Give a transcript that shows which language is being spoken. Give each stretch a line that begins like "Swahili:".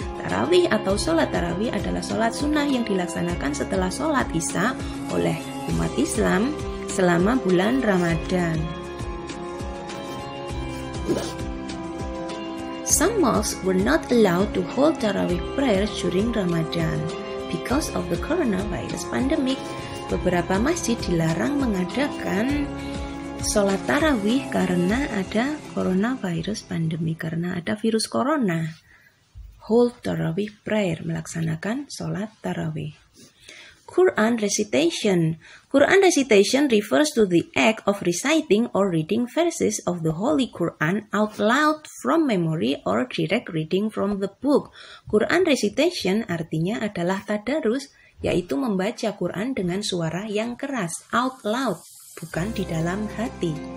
Indonesian: Tarawih atau sholat tarawih adalah sholat sunnah yang dilaksanakan setelah sholat Isya oleh umat Islam selama bulan Ramadan.
English: Some mosques were not allowed to hold tarawih prayers during Ramadan because of the coronavirus pandemic.
Indonesian: Beberapa masjid dilarang mengadakan sholat tarawih karena ada coronavirus pandemic, karena ada virus corona.
English: Hold tarawih prayer,
Indonesian: melaksanakan sholat tarawih.
English: Quran recitation. Quran recitation refers to the act of reciting or reading verses of the Holy Quran out loud from memory or direct reading from the book.
Indonesian: Quran recitation artinya adalah tadarus, yaitu membaca Quran dengan suara yang keras,
English: out loud,
Indonesian: bukan di dalam hati.